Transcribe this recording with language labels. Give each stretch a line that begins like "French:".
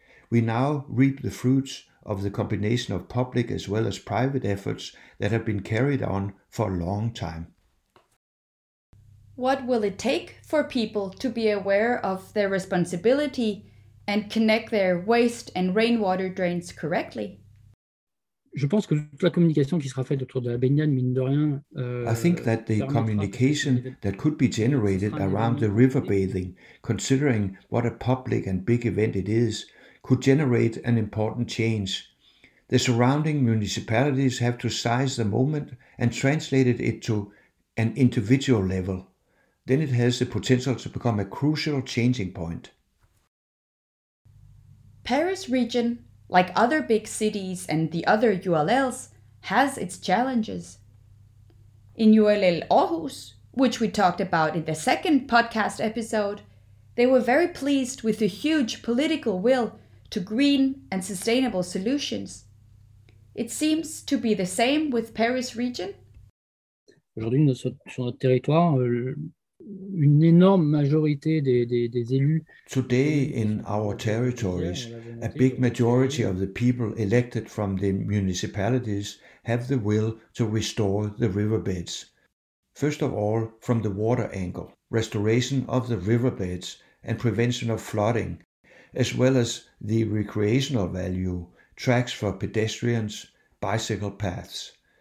English: We now reap the fruits of the combination of public as well as private efforts that have been carried on for a long time. What will it take for people to be aware of their responsibility and connect their waste and rainwater drains correctly?
French: Je pense que toute la communication qui sera faite autour de la baignade, mine de rien,
English: I think that the communication that could be generated around the river bathing, considering what a public and big event it is, could generate an important change. The surrounding municipalities have to size the moment and translate it to an individual level. Then it has the potential to become a crucial changing point. Paris region, like other big cities and the other ULLs, has its challenges. In ULL Aarhus, which we talked about in the second podcast episode, they were very pleased with the huge political will to green and sustainable solutions. It seems to be the same with Paris region.
French: Aujourd'hui, sur notre territoire, une énorme majorité des élus.
English: Today in our territories, a big majority of the people elected from the municipalities have the will to restore the riverbeds. First of all, from the water angle, restoration of the riverbeds and prevention of flooding, as well as the recreational value, tracks for pedestrians, bicycle paths.